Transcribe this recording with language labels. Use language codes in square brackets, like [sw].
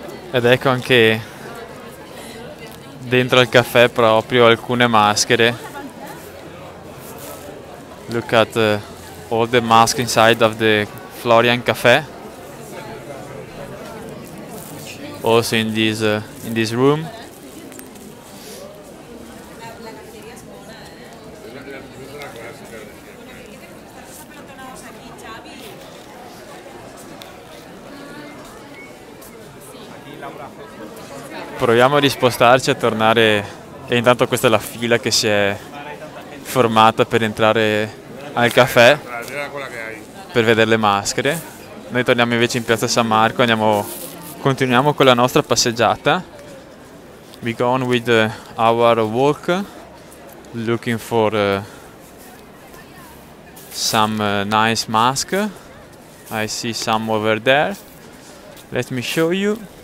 [it] Ed ecco anche dentro al caffè proprio alcune maschere. [en] Look at all the masks inside of the Florian Cafe. Also in this room. [it] Proviamo a rispostarci, a tornare, e intanto questa è la fila che si è formata per entrare al caffè, per vedere le maschere. Noi torniamo invece in piazza San Marco, continuiamo con la nostra passeggiata. [en] We go on with our walk, looking for some nice mask. I see some over there, let me show you.